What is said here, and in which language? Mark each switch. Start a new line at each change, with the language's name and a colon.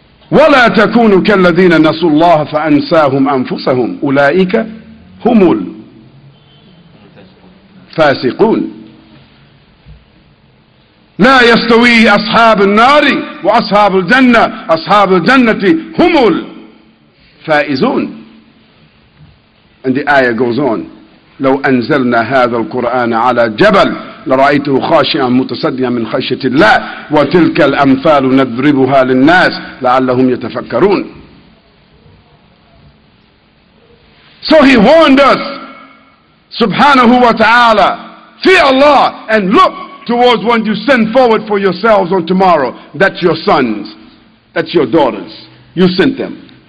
Arabic: wa la takunu kalladhina nasullaha fa ansahum anfusahum ulaika humul فاسقون لا يستوي أصحاب النار وأصحاب الجنة أصحاب الجنة هم الفائزون
English: And the ayah goes on.
Arabic: لو أنزلنا هذا القرآن على جبل لرأيته خاشعا متصدعا من خشية الله وتلك الأمثال نضربها للناس لعلهم يتفكرون.
English: So he warned us, subhanahu wa ta'ala, fear Allah and look towards what you send forward for yourselves on tomorrow. That's your sons, that's your daughters, you sent them.